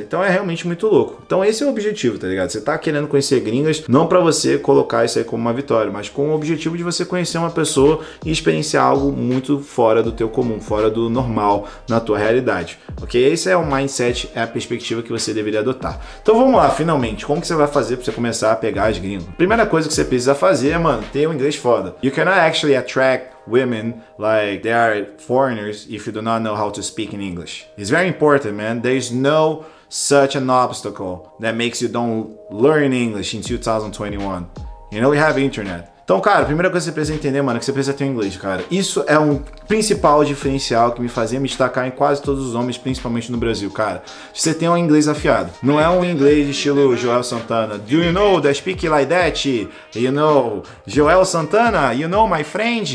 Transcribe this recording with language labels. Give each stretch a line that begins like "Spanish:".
Portuguese: Então é realmente muito louco. Então esse é o objetivo, tá ligado? Você tá querendo conhecer gringas, não pra você colocar isso aí como uma vitória, mas com o objetivo de você conhecer uma pessoa e experienciar algo muito fora do teu comum, fora do normal, na tua realidade, ok? Esse é o mindset, é a perspectiva que você deveria adotar. Então vamos lá, finalmente, como que você vai fazer pra você começar a pegar as gringas? Primeira coisa que você precisa fazer é, mano, ter um inglês foda.
English: You cannot actually attract women like they are foreigners if you do not know how to speak in English. It's very important, man. There is no such an obstacle that makes you don't learn English in 2021. You know, we have internet.
Portuguese: Então, cara, a primeira coisa que você precisa entender, mano, é que você precisa ter um inglês, cara. Isso é um principal diferencial que me fazia me destacar em quase todos os homens, principalmente no Brasil, cara. Você tem um inglês afiado. Não é um inglês estilo Joel Santana.
English: Do you know that speak like that? You know, Joel Santana? You know, my friend?